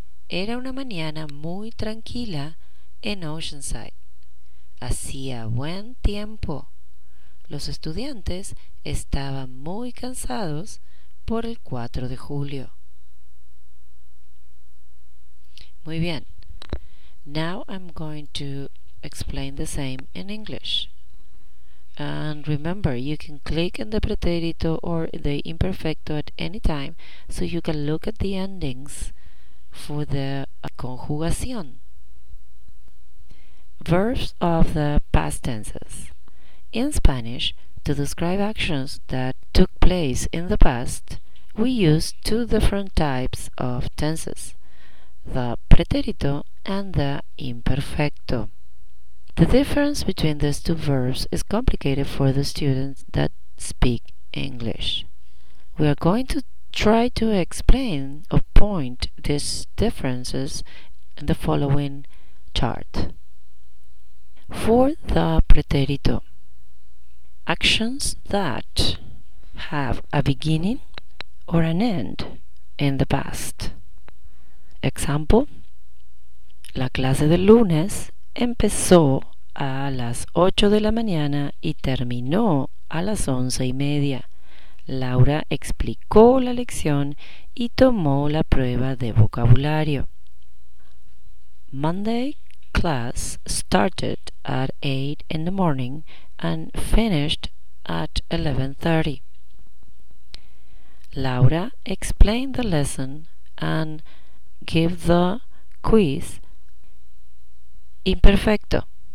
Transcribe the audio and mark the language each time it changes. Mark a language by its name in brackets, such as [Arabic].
[Spanish] Era una mañana muy tranquila en Oceanside. Hacía buen tiempo. Los estudiantes estaban muy cansados por el 4 de julio. Muy bien. [English] Now I'm going to explain the same in English. And remember, you can click in the pretérito or the imperfecto at any time so you can look at the endings for the conjugación. Verbs of the past tenses. In Spanish, to describe actions that took place in the past, we use two different types of tenses, the pretérito and the imperfecto. The difference between these two verbs is complicated for the students that speak English. We are going to try to explain or point these differences in the following chart. For the pretérito, actions that have a beginning or an end in the past. [Spanish] Example, la clase del lunes empezó a las 8 de la mañana y terminó a las 11 y media. Laura explicó la lección y tomó la prueba de vocabulario. [English] Monday class started at 8 in the morning and finished at 11:30. Laura explained the lesson and gave the quiz imperfecto.